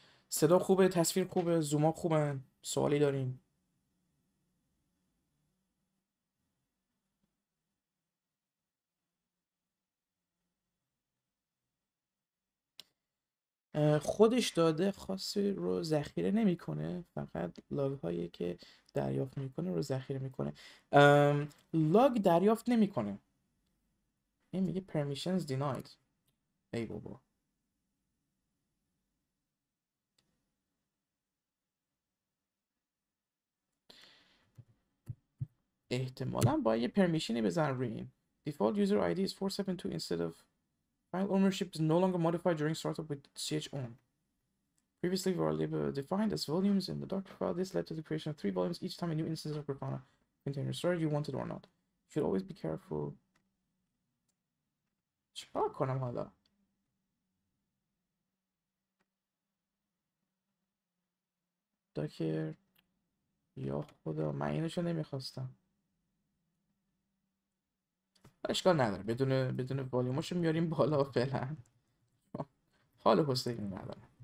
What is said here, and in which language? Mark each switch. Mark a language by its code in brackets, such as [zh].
[fa] صدا خوبه، تصویر خوبه، زوما خوبه، سوالی داریم؟ خودش داده خاصی رو ذخیره نمیکنه، فقط لاگ هایی که دریافت میکنه رو ذخیره میکنه. لاگ دریافت نمیکنه، این میگه [en] permissions denied. [fa] ای بابا احتمالا باید یه پرمیشنی بزن روی این [en] default user id is 472 instead of file ownership is no longer modified during startup with ch own. Previously we were labeled defined as volumes in the Docker file. This led to the creation of three volumes each time a new instance of Grafana container started, you wanted or not. You should always be careful. [fa] چپار کنم حالا؟ داکر یا خدا من اینشو نمیخواستم. اشکال نداره، بدون والیوماشو میاریم بالا فعلا، حال حسده این نداره.